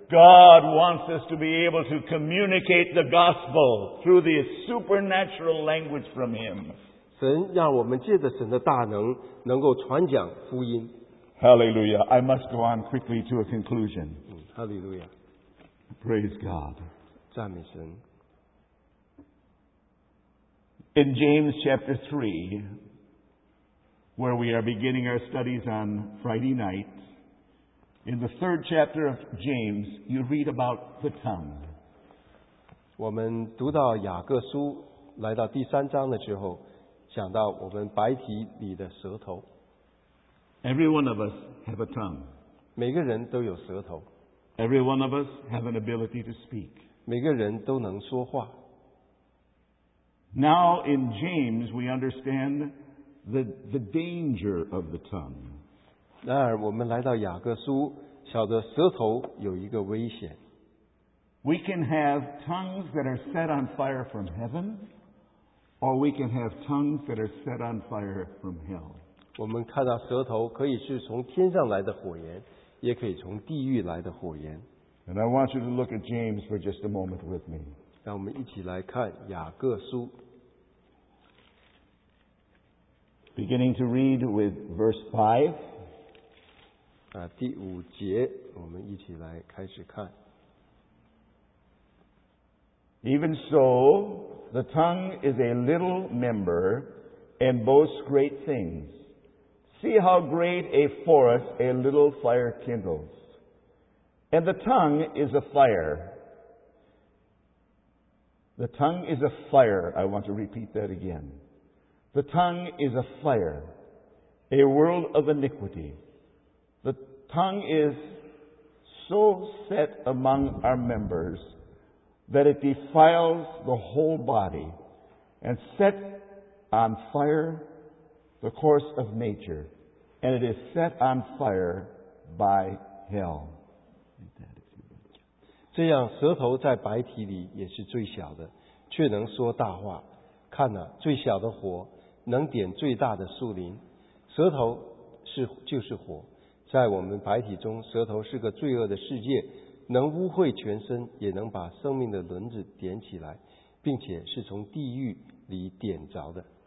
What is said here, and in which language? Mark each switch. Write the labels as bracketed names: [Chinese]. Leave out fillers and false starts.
[English] God wants us to be able to communicate the gospel through the supernatural language from Him. [Chinese] 神让我们借着神的大能能够传讲福音。 [English] Hallelujah. I must go on quickly to a conclusion. Hallelujah. Praise God. [Chinese] 赞美神。 [English] In James chapter 3, where we are beginning our studies on Friday night, in the third chapter of James, you read about the tongue. [Chinese] 我们读到雅各书来到第三章的时候，讲到我们白体里的舌头。 [English] Every one of us have a tongue. [Chinese] 每个人都有舌头。 [English] Every one of us have an ability to speak. [Chinese] 每个人都能说话。 [English] Now in James we understand the danger of the tongue. [Chinese] 然而我们来到雅各书，晓得舌头有一个危险。 [English] We can have tongues that are set on fire from heaven, or we can have tongues that are set on fire from hell. [Chinese] 我们看到舌头可以是从天上来的火焰，也可以从地狱来的火焰。 [English] And I want you to look at James for just a moment with me. [Chinese] 让我们一起来看雅各书 [English] Beginning to read with verse 5 [Chinese] 第五节我们一起来开始看 [English] Even so, the tongue is a little member and boasts great things. See how great a forest a little fire kindles. And the tongue is a fire. The tongue is a fire. I want to repeat that again. The tongue is a fire, a world of iniquity. The tongue is so set among our members that it defiles the whole body and sets on fire the course of nature, and it is set on fire by hell. [Chinese] 这样舌头在白体里也是最小的却能说大话看哪、最小的火能点最大的树林舌头是就是火在我们白体中舌头是个罪恶的世界能污秽全身也能把生命的轮子点起来并且是从地狱里点着的